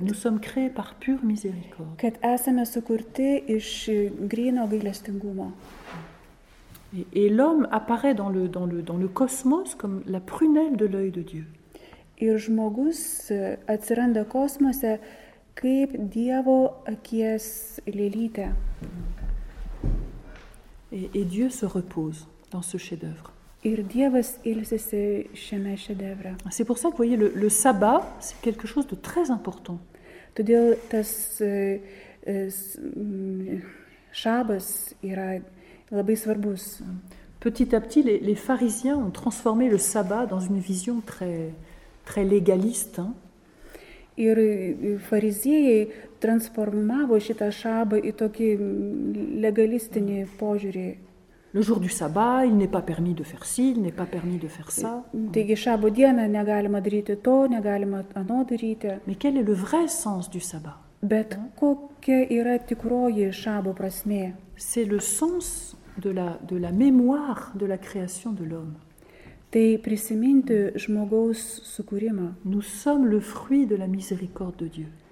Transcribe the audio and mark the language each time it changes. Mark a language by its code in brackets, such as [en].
[fr] Nous sommes créés par pure miséricorde. [lt] Kad esame sukurti iš gryno gailestingumo. [fr] Et l'homme apparaît dans le cosmos comme la prunelle de l'œil de Dieu. [lt] Ir žmogus atsiranda kosmose kaip Dievo akies lėlytė. [fr] Et Dieu se repose dans ce chef-d'œuvre. [lt] Ir Dievas ilsisi šiame šedevre. [fr] C'est pour ça que vous voyez le sabbat, c'est quelque chose de très important. [lt] Todėl tas šabas yra labai svarbus. [fr] Petit à petit les pharisiens ont transformé le sabbat dans une vision très légaliste. Hein. [lt] Ir fariziejai transformavo šitą šabą į tokį legalistinį požiūrį. [fr] Le jour du sabbat, il n'est pas permis de faire ci, il n'est pas permis de faire ça. [lt] Taigi, šabo dieną negalima daryti to, negalima ano daryti. [fr] Mais quel est le vrai sens du sabbat? [lt] Bet kokia yra tikroji šabo prasmė? [fr] C'est le sens de la mémoire de la création de l'homme. [lt] Tai prisiminti žmogaus sukūrimą. [fr] Nous sommes le fruit de la miséricorde de Dieu.